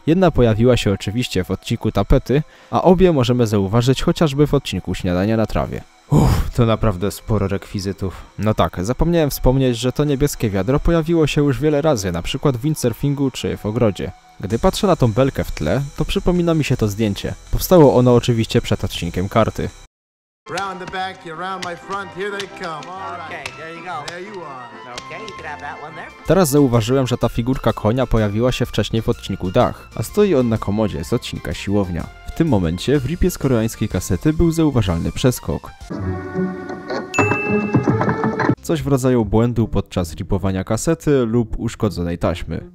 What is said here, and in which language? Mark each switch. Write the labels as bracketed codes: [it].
[pl] Jedna pojawiła się oczywiście w odcinku Tapety, a obie możemy zauważyć chociażby w odcinku Śniadania na trawie. Uff, to naprawdę sporo rekwizytów. No tak, zapomniałem wspomnieć, że to niebieskie wiadro pojawiło się już wiele razy, na przykład w windsurfingu czy w ogrodzie. Gdy patrzę na tą belkę w tle, to przypomina mi się to zdjęcie. Powstało ono oczywiście przed odcinkiem karty. [en] Round the back, around my front, here they come. Okay, there you go. There you are. Okay, you grab that one there. [pl] Teraz zauważyłem, że ta figurka konia pojawiła się wcześniej w odcinku Dach, a stoi on na komodzie z odcinka Siłownia. W tym momencie w ripie z koreańskiej kasety był zauważalny przeskok. Coś w rodzaju błędu podczas ripowania kasety lub uszkodzonej taśmy.